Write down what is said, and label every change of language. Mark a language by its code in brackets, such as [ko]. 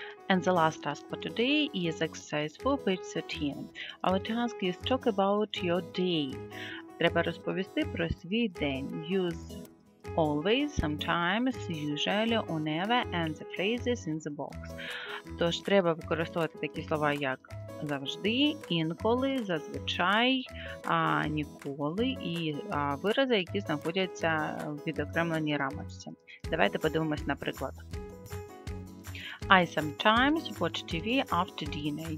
[en] And the last task for today is exercise 4.13. Our task is talk about your day. [uk] Треба розповісти про свій день. [en] Use always, sometimes, usually, or never, and the phrases in the box. [uk] Тож треба використовувати такі слова, як завжди, інколи, зазвичай, ніколи і вирази, які знаходяться в відокремленій рамочці. Давайте подивимось, наприклад. [en] I sometimes watch TV after dinner.